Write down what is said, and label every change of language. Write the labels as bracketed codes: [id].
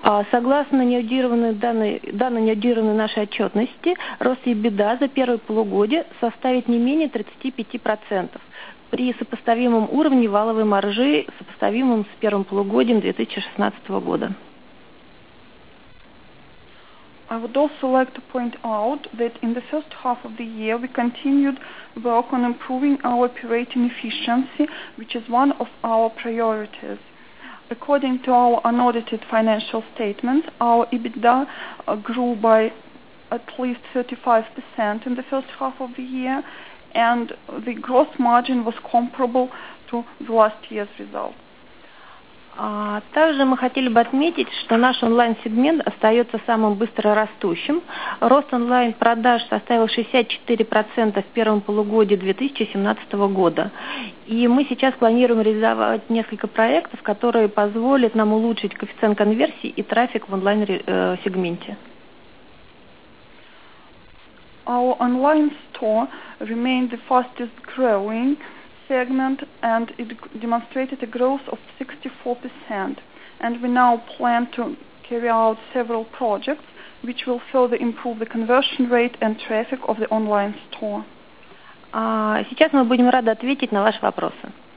[ru] Согласно данным неаудированной нашей отчетности, рост EBITDA за первое полугодие составит не менее 35%. При сопоставимом уровне валовой маржи, сопоставимом с первым полугодием 2016 года. [en] I would also like to point out that in the first half of the year we continued work on improving our operating efficiency, which is one of our priorities. According to our unaudited financial statements, our EBITDA grew by at least 35% in the first half of the year. And the gross margin was comparable to the last year's result. [ru] Также мы хотели бы отметить, что наш онлайн-сегмент остается самым быстро растущим. Рост онлайн-продаж составил 64% в первом полугодии 2017 года. И мы сейчас планируем реализовать несколько проектов, которые позволят нам улучшить коэффициент конверсии и трафик в онлайн-сегменте. [en] Our online store remained the fastest growing segment, and it demonstrated a growth of 64%. And we now plan to carry out several projects, which will further improve the conversion rate and traffic of the online store. [ru] Сейчас мы будем рады ответить на ваши вопросы.